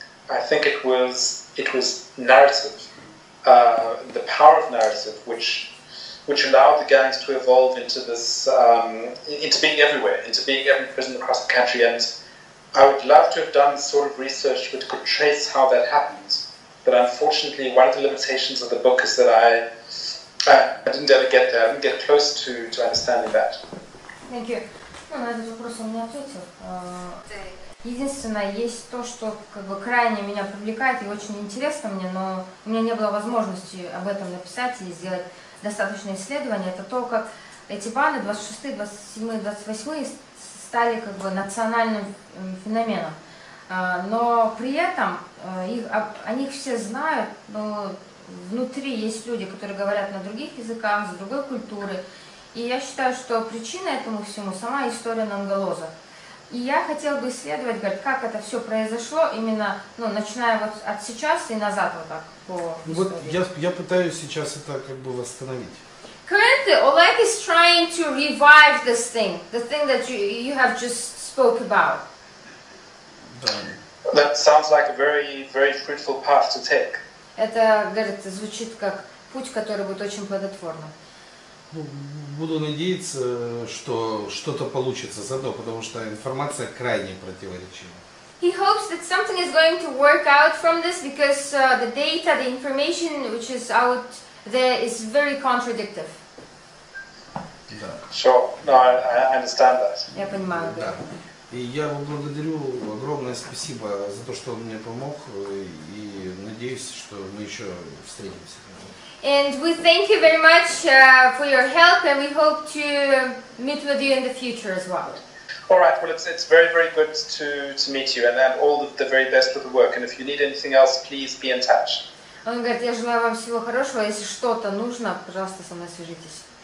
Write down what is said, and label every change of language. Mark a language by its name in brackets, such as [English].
[English] I think it was narrative, the power of narrative, which allowed the gangs to evolve into this, into being everywhere, into being every prison across the country. And I would love to have done the sort of research which could trace how that happened. But unfortunately, one of the limitations of the book is that I didn't ever get there. I didn't get close to understanding that. Thank you. [Russian] Ну, на этот вопрос он не ответил. Единственное, есть то, что как бы крайне меня привлекает и очень интересно мне, но у меня не было возможности об этом написать и сделать достаточное исследование. Это то, как эти банды 26, 27, 28 стали как бы национальным феноменом. Но при этом о них все знают, но внутри есть люди, которые говорят на других языках, с другой культуры. И я считаю, что причина этому всему – сама история Нонголозы. И я хотела бы исследовать, говорит, как это все произошло, именно, ну, начиная вот от сейчас и назад вот так по истории. Вот я пытаюсь сейчас это как бы восстановить. [English] Currently, Oleg is trying to revive this thing, the thing that you have just spoke about. That sounds like a very, very fruitful path to take. [Russian] Это, говорит, звучит как путь, который будет очень плодотворным. Буду надеяться, что что-то получится заодно, потому что информация крайне противоречива. [English] He hopes that something is going to work out from this because the data, the information which is out there is very contradictive. Sure, no, I understand that. [Russian] И я вам благодарю, огромное спасибо за то, что он мне помог, и надеюсь, что мы еще встретимся. [English] And we thank you very much for your help, and we hope to meet with you in the future as well. All right, well, it's very, very good to meet you, and then all the very best for the work, and if you need anything else, please be in touch. [Russian] Он говорит, я желаю вам всего хорошего, если что-то нужно, пожалуйста, со мной свяжитесь.